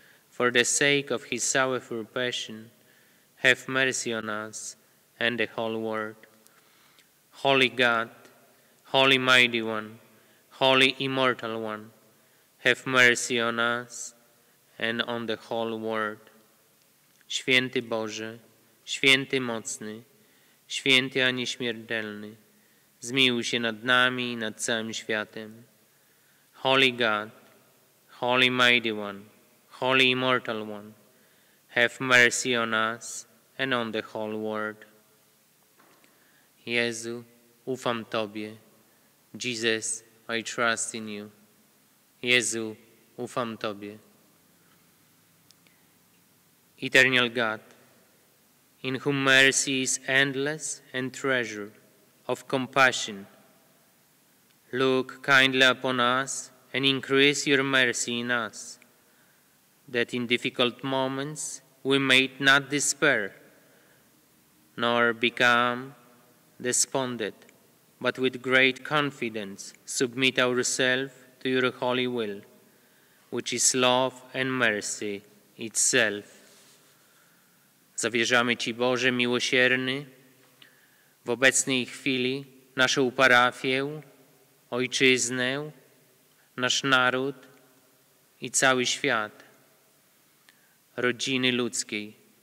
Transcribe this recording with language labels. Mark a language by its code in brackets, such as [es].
[en] For the sake of his sorrowful passion, have mercy on us and the whole world. Holy God, Holy Mighty One, Holy Immortal One, have mercy on us and on the whole world. [pl] Święty Boże, Święty Mocny, Święty, a nieśmiertelny, zmiłuj się nad nami i nad całym światem. [en] Holy God, Holy Mighty One, Holy Immortal One, have mercy on us and on the whole world. [pl] Jezu, ufam Tobie. [en] Jesus, I trust in you. [pl] Jezu, ufam Tobie. [en] Eternal God, in whom mercy is endless and treasure of compassion, look kindly upon us and increase your mercy in us, that in difficult moments we may not despair, nor become despondent, but with great confidence submit ourselves to your holy will, which is love and mercy itself. [pl] Zawierzamy Ci, Boże miłosierny, w obecnej chwili naszą parafię, ojczyznę, nasz naród i cały świat, rodziny ludzkiej.